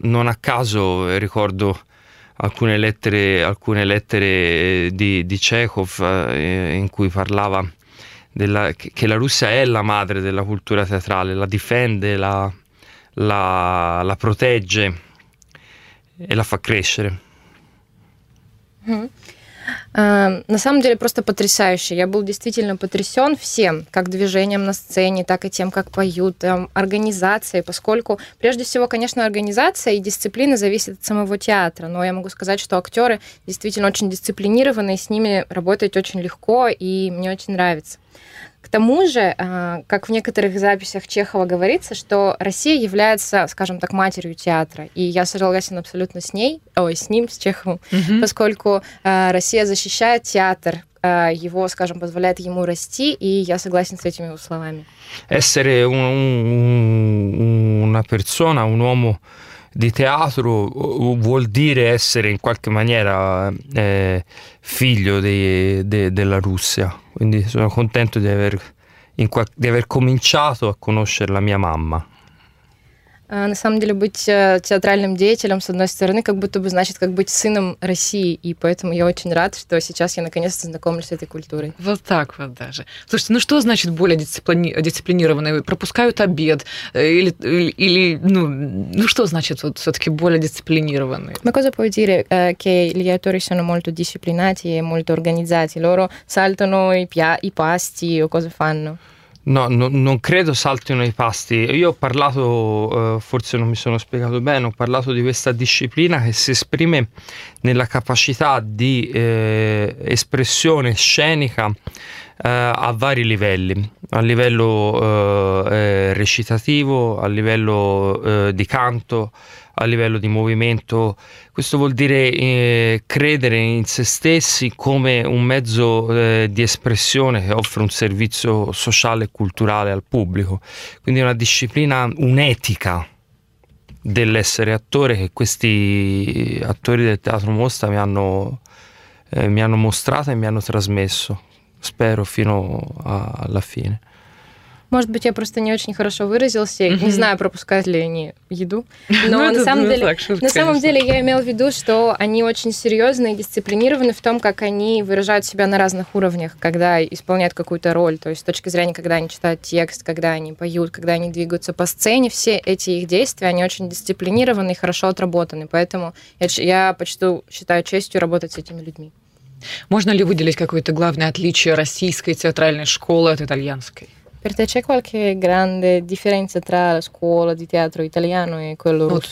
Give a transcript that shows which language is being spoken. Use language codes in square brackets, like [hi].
[it] Non a caso ricordo alcune lettere di Chekhov in cui parlava che la Russia è la madre della cultura teatrale, la difende, la protegge e la fa crescere. [ru] На самом деле просто потрясающе. Я был действительно потрясен всем, как движением на сцене, так и тем, как поют, организацией, поскольку прежде всего, конечно, организация и дисциплина зависят от самого театра, но я могу сказать, что актеры действительно очень дисциплинированы, и с ними работать очень легко, и мне очень нравится. К тому же, как в некоторых записях Чехова говорится, что Россия является, скажем так, матерью театра. И я согласен абсолютно с ним, с Чеховым, mm-hmm. поскольку Россия защищает театр, его, скажем, позволяет ему расти, и я согласен с этими его словами. [it] Essere una persona, un uomo di teatro vuol dire essere in qualche maniera figlio della Russia. Quindi sono contento di aver cominciato a conoscere la mia mamma. [ru] На самом деле быть театральным деятелем, с одной стороны, как будто бы значит, как быть сыном России, и поэтому я очень рад, что сейчас я наконец-то знакомлюсь с этой культурой. Вот так вот даже. Слушайте, ну что значит более дисциплинированный? Пропускают обед или что значит вот все-таки более дисциплинированный? [it] Ma cosa puoi dire che gli attori sono molto disciplinati e molto organizzati? Loro saltano i pasti o cosa fanno? No, non credo saltino i pasti. Io ho parlato, forse non mi sono spiegato bene, ho parlato di questa disciplina che si esprime nella capacità di espressione scenica a vari livelli, a livello recitativo, a livello di canto, a livello di movimento. Questo vuol dire credere in se stessi come un mezzo di espressione che offre un servizio sociale e culturale al pubblico. Quindi una disciplina, un'etica dell'essere attore che questi attori del Teatro Mostra mi hanno mostrato e mi hanno trasmesso, spero fino alla fine. [ru] Может быть, я просто не очень хорошо выразился, mm-hmm. не знаю, пропускают ли они еду, но на самом деле я имела в виду, что они очень серьезны и дисциплинированы в том, как они выражают себя на разных уровнях, когда исполняют какую-то роль, то есть с точки зрения, когда они читают текст, когда они поют, когда они двигаются по сцене, все эти их действия, они очень дисциплинированы и хорошо отработаны, поэтому я почти считаю честью работать с этими людьми. Можно ли выделить какое-то главное отличие российской театральной школы от итальянской? [it] Per te c'è qualche grande differenza tra la scuola di teatro italiano e quello russo?